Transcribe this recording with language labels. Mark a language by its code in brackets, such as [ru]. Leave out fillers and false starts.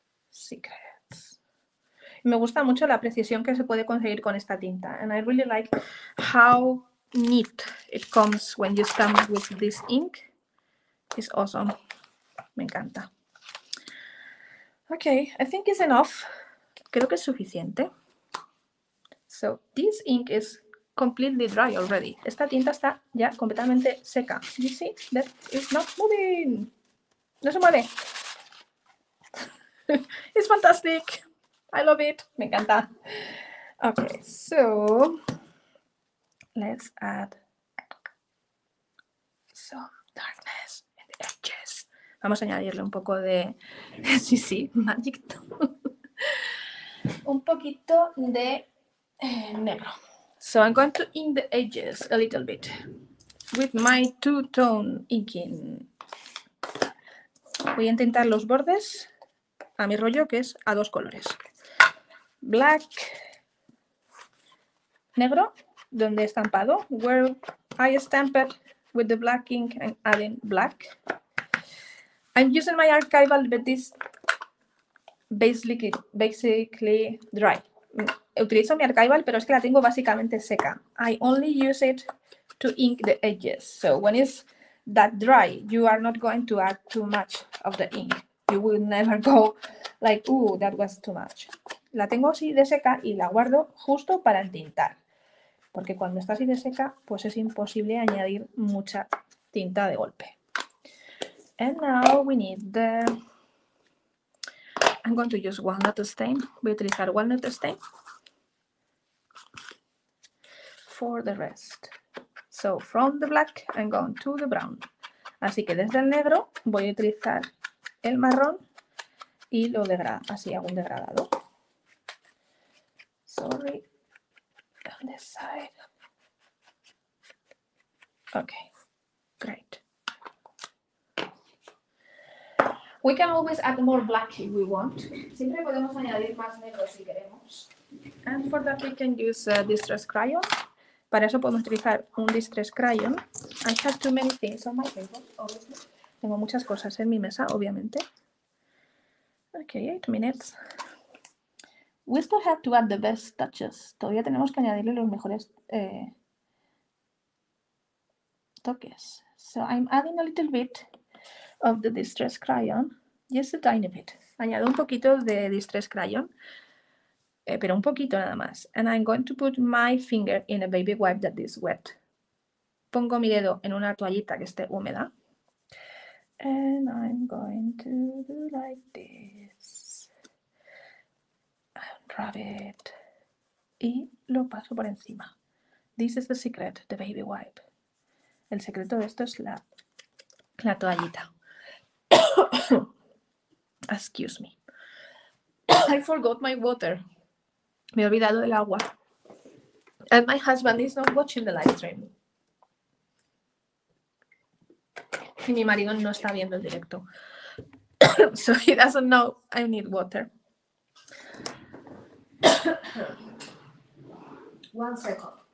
[es] Secrets. Me gusta mucho la precisión que se puede conseguir con esta tinta. [en] And I really like how neat it comes when you stamp with this ink. It's awesome. [es] Me encanta. [en] Okay, I think it's enough. [es] Creo que es suficiente. [en] So this ink is completely dry already. [es] Esta tinta está ya completamente seca. [en] You see? That is not moving. [es] No se mueve. [en] It's fantastic. I love it. [es] Me encanta. [en] Okay, so let's add some darkness in the edges. [es] Vamos a añadirle un poco de... Sí, sí, magic. Un poquito de negro. [en] So I'm going to ink the edges a little bit with my two-tone inking. [es] Voy a intentar los bordes a mi rollo, que es a dos colores. Black, negro, donde he estampado. [en] Where I stamped with the black ink and adding black. I'm using my archival, but this basically dry. [es] Utilizo mi archival, pero es que la tengo básicamente seca. [en] I only use it to ink the edges. So when it's that dry, you are not going to add too much of the ink. You will never go like, ooh, that was too much. [es] La tengo así de seca y la guardo justo para entintar. Porque cuando está así de seca, pues es imposible añadir mucha tinta de golpe. [en] And now we need the... I'm going to use walnut stain. [es] Voy a utilizar walnut stain [en] for the rest. So from the black and going to the brown. [es] Así que desde el negro voy a utilizar el marrón y lo degrado. Así hago un degradado. [en] Sorry. On this side. Okay. Great. We can always add more black if we want. [es] Siempre podemos añadir más negro si queremos. [en] And for that we can use a distress crayon. [es] Para eso podemos utilizar un distress crayon. [en] I have too many things on my table, obviously. [es] Tengo muchas cosas en mi mesa, obviamente. [en] Okay, 8 minutes. We still have to add the best touches. [es] Todavía tenemos que añadirle los mejores toques. [en] So I'm adding a little bit of the distress crayon. Just a tiny bit. [es] Añado un poquito de distress crayon. Pero un poquito nada más. [en] And I'm going to put my finger in a baby wipe that is wet. [es] Pongo mi dedo en una toallita que esté húmeda. [en] And I'm going to do like this. Unwrap it. [es] Y lo paso por encima. [en] This is the secret, the baby wipe. [es] El secreto de esto es la toallita. [en] Excuse me. I forgot my water. [es] Me he olvidado del agua. [en] And my husband is not watching the live stream. [es] Y mi marido no está viendo el directo. [en] So he doesn't know I need water. One second.